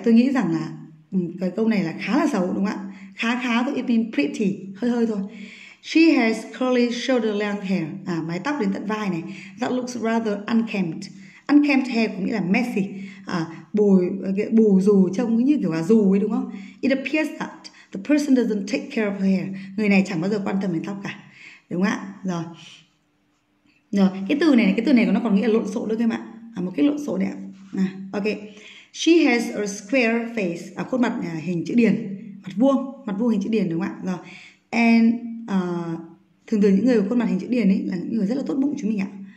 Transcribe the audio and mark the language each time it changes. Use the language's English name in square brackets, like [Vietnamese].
[Vietnamese] Tôi nghĩ rằng là cái câu này là khá là xấu, đúng không ạ? Khá thôi, [English] it means pretty, [Vietnamese] hơi hơi thôi. [English] She has curly shoulder length hair. [Vietnamese] Mái tóc đến tận vai này. [English] That looks rather unkempt. Unkempt hair [Vietnamese] có nghĩa là [English] messy. [Vietnamese] Bù dù trông như kiểu là dù ấy, đúng không? [English] It appears that the person doesn't take care of her hair. [Vietnamese] Người này chẳng bao giờ quan tâm đến tóc cả, đúng không ạ? Rồi, cái từ này nó còn nghĩa là lộn xộn nữa các em ạ. Một cái lộn xộn đấy ạ. Ok. [English] She has a square face. [Vietnamese] Khuôn mặt hình chữ điền. Mặt vuông hình chữ điền, đúng không ạ? Rồi. And thường thường những người có khuôn mặt hình chữ điền ấy là những người rất là tốt bụng chúng mình ạ.